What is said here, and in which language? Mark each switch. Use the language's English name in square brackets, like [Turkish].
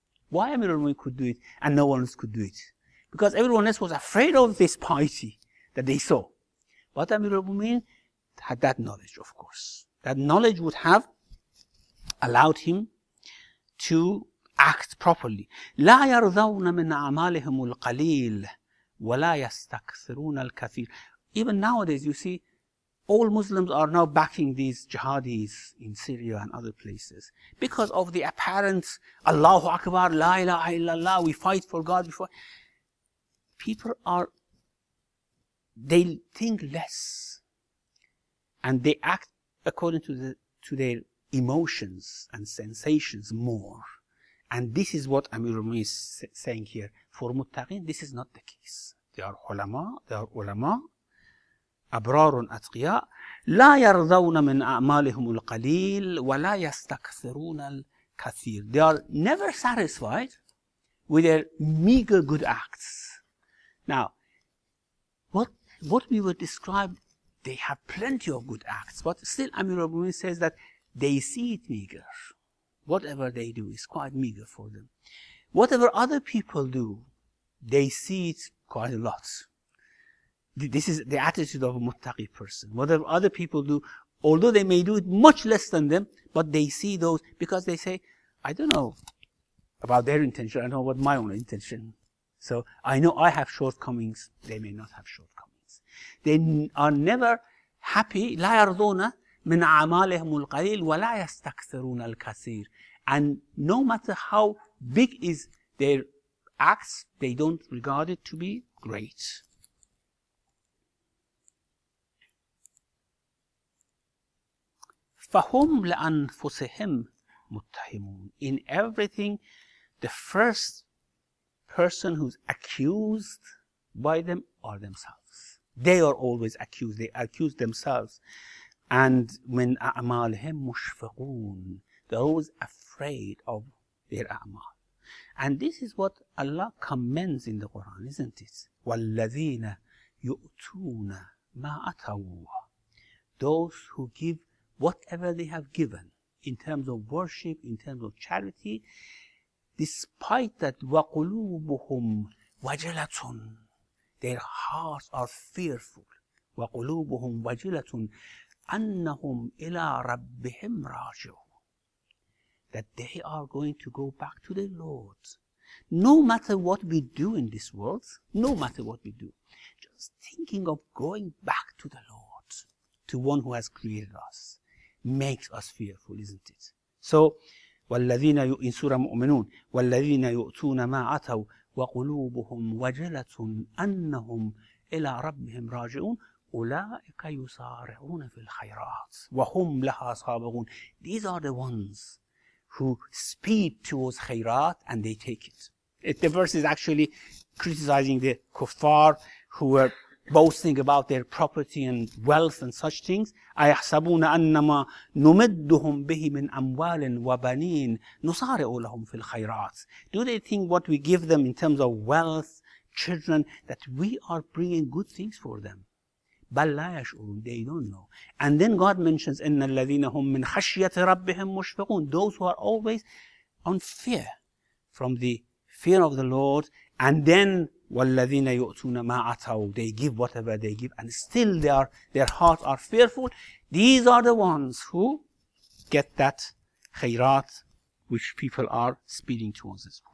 [English] Why Amir al-Mu'min could do it and no one else could do it? Because everyone else was afraid of this piety that they saw. But Amir al-Mu'min had that knowledge, of course. That knowledge would have allowed him to act properly. [Arabic] لا يرضون من أعمالهم القليل ولا يستكثرون الكثير. [English] Even nowadays, you see, all Muslims are now backing these jihadis in Syria and other places because of the apparent Allahu Akbar, La ilaha illallah, we fight for God before. People are, they think less and they act according to their emotions and sensations more. And this is what Amir al-Mu'min is saying here. For muttaqin, this is not the case. They are ulama. [Arabic] أبرار أتقياء لا يرضون من أعمالهم القليل ولا يستكثرون الكثير. [English] They are never satisfied with their meager good acts. Now, what we would describe, they have plenty of good acts, but still Amir al-Mu'min says that they see it meager. Whatever they do is quite meager for them. Whatever other people do, they see it quite a lot. This is the attitude of a muttaqi person. Whatever other people do, although they may do it much less than them, but they see those because they say, I don't know about their intention, I know about my own intention. So I know I have shortcomings, they may not have shortcomings. They are never happy. [Arabic] لا يرضون من أعمالهم القليل ولا يستكثرون الكثير. [English] And no matter how big is their acts, they don't regard it to be great. [Arabic] فَهُمْ لَأَنفُسِهِمْ مُتَّهِمُونَ. [English] In everything, the first person who's accused by them are themselves. They are always accused. They accuse themselves. [Arabic] And مِنْ أَعْمَالِهِمْ مُشْفَقُونَ. [English] They're always afraid of their أعمال. And this is what Allah commends in the Quran, isn't it? [Arabic] وَالَّذِينَ يُؤْتُونَ مَا أَتَوُوا. [English] Those who give whatever they have given in terms of worship, in terms of charity, despite that [Arabic] وَقُلُوبُهُمْ وَجِلَةٌ, [English] their hearts are fearful. [Arabic] وَقُلُوبُهُمْ وَجِلَةٌ أَنَّهُمْ إِلَىٰ رَبِّهِمْ رَاجِعُونَ, [English] that they are going to go back to their Lord. No matter what we do in this world, no matter what we do, just thinking of going back to the Lord, to one who has created us, makes us fearful, isn't it? [Arabic] So, وَالَّذِينَ in Surah Mu'minun, وَالَّذِينَ يُؤْتُونَ مَا عَتَوْا وَقُلُوبُهُمْ وَجِلَةٌ أَنَّهُمْ إِلَىٰ رَبِّهِمْ رَاجِعُونَ أُولَٰئِكَ يُسَارِعُونَ فِي الْخَيْرَاتِ وَهُمْ لَهَا صَابِغُونَ. [English] These are the ones who speed towards khayrat and they take it. The verse is actually criticizing the kuffar who were boasting about their property and wealth and such things. [Arabic] أَيَحْسَبُونَ أَنَّمَا نُمِدُّهُمْ بِهِ مِنْ أَمْوَالٍ وَبَنِينَ نُصَارِعُ لَهُمْ فِي الْخَيْرَاتِ. [English] Do they think what we give them in terms of wealth, children, that we are bringing good things for them? [Arabic] بَلْ لَا يَشْعُرُونَ. [English] They don't know. And then God mentions, [Arabic] إِنَّ الَّذِينَ هُمْ مِنْ خَشْيَةِ رَبِّهِمْ مُشْفِقُونَ. [English] Those who are always on fear, from the fear of the Lord, and then [Arabic] وَالَّذِينَ يُؤْتُونَ مَا عَتَوْا [English] They give whatever they give and still they are, their hearts are fearful. These are the ones who get that khayrat which people are speeding towards us.